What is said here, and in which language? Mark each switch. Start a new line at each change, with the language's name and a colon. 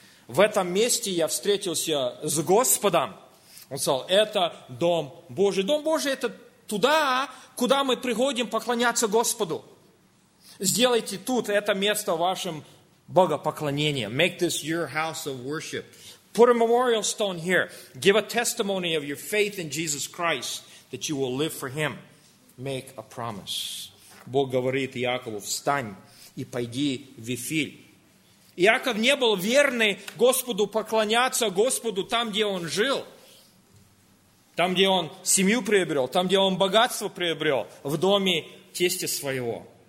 Russian: «В этом месте я встретился с Господом». Он сказал: «Это дом Божий». Дом Божий – это туда, куда мы приходим поклоняться Господу. Сделайте тут это место вашим богопоклонением.
English: Make this your house of worship. Put a memorial stone here. Give a testimony of your faith in Jesus Christ, that you will live for Him. Make a promise.
Russian: Бог говорит Иакову: «Встань и пойди в Вифиль». Иаков не был верный Господу, поклоняться Господу там, где он жил. Там, где он семью приобрел, там, где он богатство приобрел, в доме тестя своего.